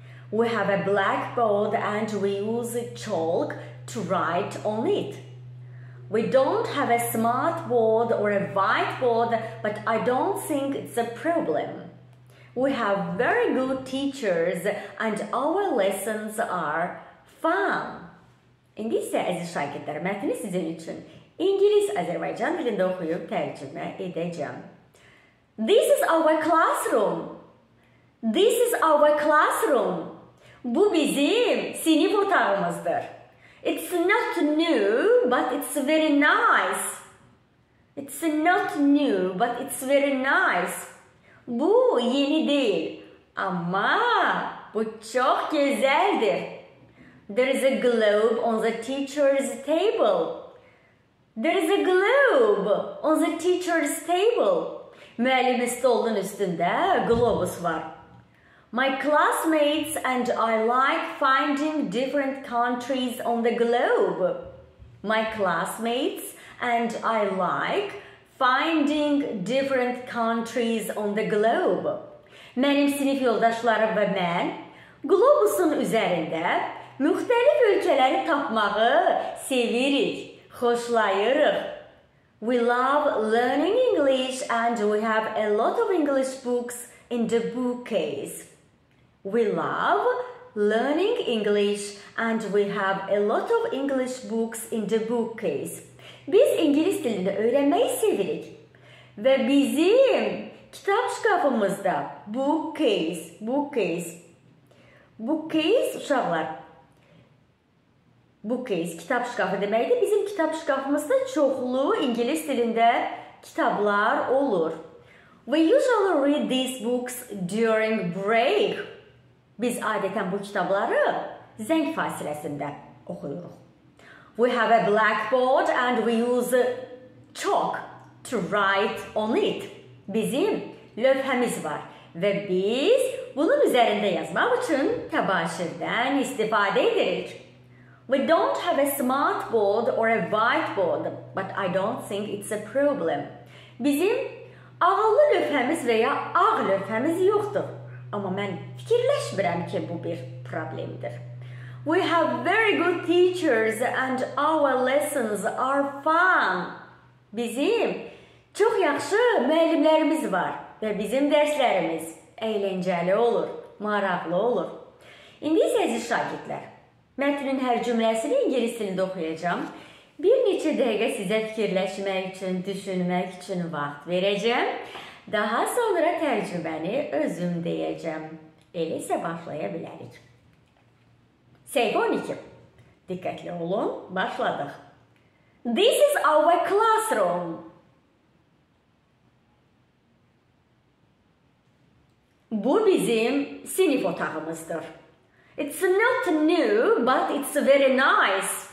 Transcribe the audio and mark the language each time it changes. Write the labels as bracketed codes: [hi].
[en] We have a blackboard and we use chalk to write on it. We don't have a smart board or a whiteboard, but I don't think it's a problem. We have very good teachers and our lessons are fun. [az] İndi isə əziz şagirdlər, mətni sizin üçün İngilis Azərbaycan dilində oxuyub tərcümə edəcəm. [en] This is our classroom. This is our classroom. [az] Bu bizim sinif otağımızdır. [en] It's not new, but it's very nice. It's not new, but it's very nice. [az] Bu yeni değil, ama bu çok güzeldir. [en] There is a globe on the teacher's table. There is a globe on the teacher's table. [az] Müəllimin stolunun üstündə globus var. [en] My classmates and I like finding different countries on the globe. My classmates and I like finding different countries on the globe. [az] Mənim sinif yoldaşlarım və mən globusun üzərində müxtəlif ölkələri tapmağı sevirik, xoşlayırıq. [en] We love learning English and we have a lot of English books in the bookcase. We love learning English and we have a lot of English books in the bookcase. [az] Biz ingilis dilini öyrənməyi sevirik. Və bizim kitab şkafımızda bookcase uşaqlar. Bookcase kitab şkafı deməkdir. Bizim kitab şkafımızda çoxlu ingilis dilində kitablar olur. [en] We usually read these books during break. [az] Biz adətən bu kitabları zəng fasiləsində oxuyuruq. [en] We have a blackboard and we use chalk to write on it. [az] Bizim lövhəmiz var və biz bunun üzərində yazmaq üçün təbaşirdən istifadə edirik. [en] We don't have a smart board or a whiteboard, but I don't think it's a problem. [az] Bizim ağıllı lövhəmiz və ya ağ lövhəmiz yoxdur. Amma mən fikirləşmirəm ki, bu bir problemdir. [en] We have very good teachers and our lessons are fun. [az] Bizim çox yaxşı müəllimlərimiz var və bizim dərslərimiz əyləncəli olur, maraqlı olur. İndi isə əziz şagirdlər, mətnin hər cümləsini ingilis dilində oxuyacağım. Bir neçə dəqiqə sizə fikirləşmək üçün, düşünmək üçün vaxt verəcəm. Daha sonra tərcüməni özüm deyəcəm. Elə isə başlaya bilərik. Səhifə 12. Diqqətli olun, başladıq. [en] This is our classroom. [az] Bu bizim sinif otağımızdır. [en] It's not new, but it's very nice.